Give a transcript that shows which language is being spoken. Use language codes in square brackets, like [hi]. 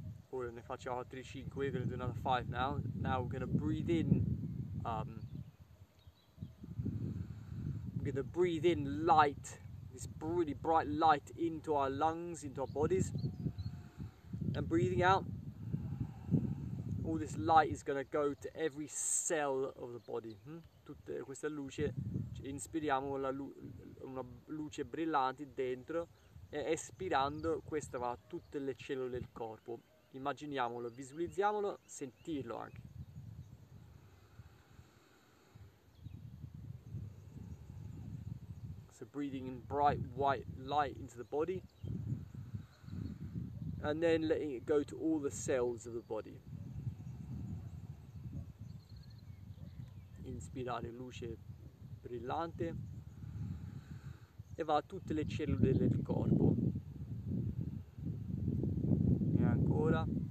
[it] Ne faccio altri 5, [en] we're gonna do another 5 now. Now we're gonna breathe in light, this really bright light into our lungs, into our bodies. And breathing out, all this light is gonna go to every cell of the body. [it] Tutta questa luce, inspiriamo una luce brillante dentro e espirando questa va a tutte le cellule del corpo. Immaginiamolo, visualizziamolo, sentirlo anche. [en] So breathing in bright white light into the body and then letting it go to all the cells of the body. [it] Inspirare luce brillante e va a tutte le cellule del corpo. E ancora.